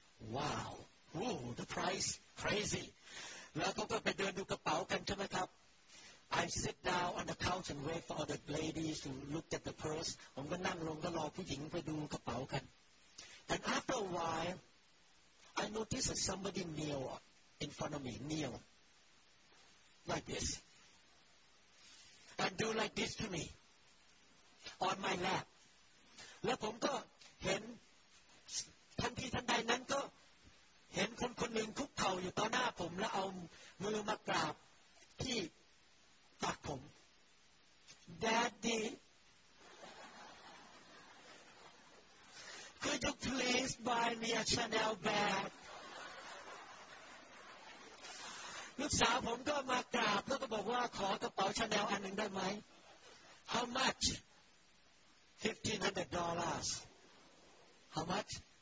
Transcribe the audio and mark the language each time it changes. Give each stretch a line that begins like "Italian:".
English: Wow, woo, the price crazy.
Thai: แล้วก็ไปเดินดูกระเป๋ากันใช่ไหมครับ
English: I sit down on the couch and wait for all the ladies to look at the purse.
Thai: ผมก็นั่งลงก็รอผู้หญิงไปดูกระเป๋ากัน
English: And after a while, I notice that somebody kneel in front of me. Kneel. Like this, and do like this to me on my lap.
Thai: แล้วผมก็เห็นทันทีทันใดนั้นก็เห็นคนคนหนึ่งคุกเข่าอยู่ต่อหน้าผมแล้วเอามือมากราบ ที่ตักผม
English: Daddy Could you please buy me a Chanel bag
Thai: ลูกสาวผมก็มากราบแล้วก็บอกว่าขอกระเป๋า Chanel อันหนึ่งได้ไหม
English: How much $1,500 How much